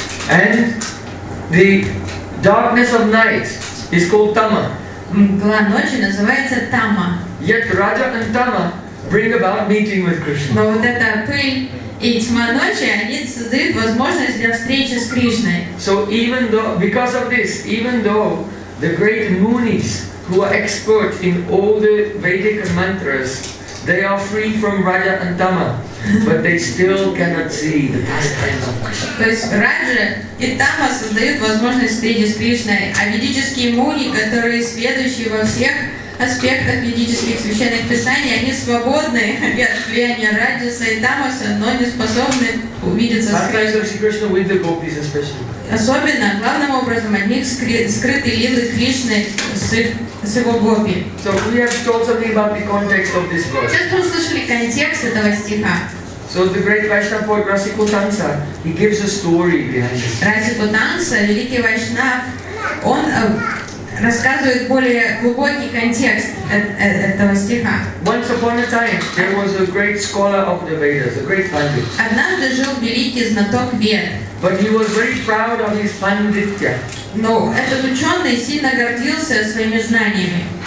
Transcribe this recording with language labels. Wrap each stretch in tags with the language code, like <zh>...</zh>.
<en>And the darkness of night is called Tama.</en> <ru>Мгла ночи называется Тама.</ru> <en>Yet Raja and Tama bring about meeting with Krishna.</en> <ru>Но вот эта пыль и тьма ночи, они создают возможность для встречи с Кришной.</ru> <en>So even though, because of this, even though the great munis who are expert in all the Vedic mantras, they are free from Raja and Tama, but they still cannot see the pastimes of Krishna.</en> <ru>То есть Раджа и Тама создают возможность встречи с Кришной, а ведические муни, которые сведущие во всех аспектах ведических священных писаний, они свободны от влияния Раджаса и Тамаса, но не способны увидеться с Кришной. Особенно, главным образом, от них скрыты лилы Кришны с его гопи.</ru> <en>So we have told something about the context of this verse.</en> <ru>Сейчас мы услышали контекст этого стиха.</ru> <en>So the great Vaishnava poet Раси Кутанса, he gives a story behind it.</en> <ru>Раси Кутанса, великий вайшнав, он рассказывает более глубокий контекст этого стиха.</ru> <en>Once upon a time, there was a great scholar of the Vedas, a great pandit.</en> <ru>Однажды жил великий знаток Вед.</ru> <en>But he was very proud of his panditya.</en> <ru>Но этот ученый сильно гордился своими знаниями.</ru>